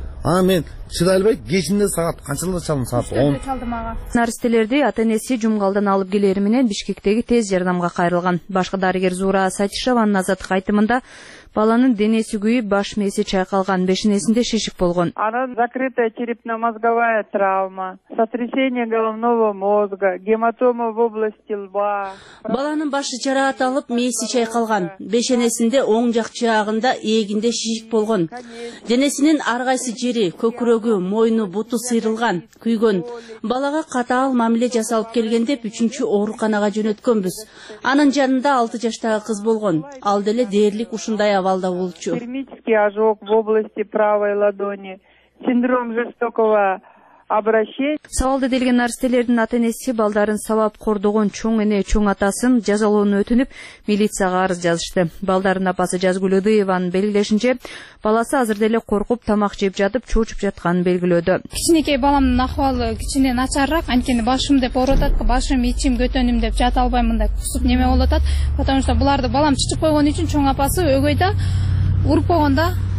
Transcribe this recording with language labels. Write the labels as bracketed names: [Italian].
[Kyrgyz] Анан мен чыдай албай кечинде саат канчаларда чалдым, саат 10. Наристелерди ата энеси жумгалдан алып келери менен Бишкектеги тез жардамга кайрылган. Башкы дарыгер Зура Сатишеванын азаттык айтымында баланын денеси күйүп, баш мээси чайкалган, бешенесинде шишик болгон. [Russian] Анан закрытая черепно-мозговая травма, сотрясение головного мозга, гематома в области лба. [Kyrgyz] Баланын башы жараат алып, мээси чайкалган, бешенесинде оң жак жаагында ээгинде шишик болгон. Денесинин ар кайсы жери, көкүрөгү, мойну, буту сыйрылган, күйгөн. Балага катаал мамиле жасалып келгенде 3-чү ооруканага жөнөткөнбүз. Анын жанында 6 жаштагы кыз болгон. Ал деле дээрлик ушундай абалда болчу. [Russian] Термический ожог в области правой ладони. Синдром жестокого обращения. [Kyrgyz] Сабалды делген наристелердин ата-энеси балдарын сабап кордогон чоң эне чоң атасын жазалоону өтүнүп милицияга арыз жазышты. Балдарын апасы Жазгүл Ыдыеванын белгилешинче, баласы азыр деле коркуп тамак жеп жатып чоочуп жатканын белгилөдү. Кичинекей баламдын акыбалы кичине начарыраак, анткени башым деп ооруп атат, башым, ичим, көтөнүм деп жата албай мындай кусуп неме болуп атат, [Russian] потому что [Kyrgyz] буларды балам чычып койгон үчүн чоң апасы өгөй да уруп койгон да.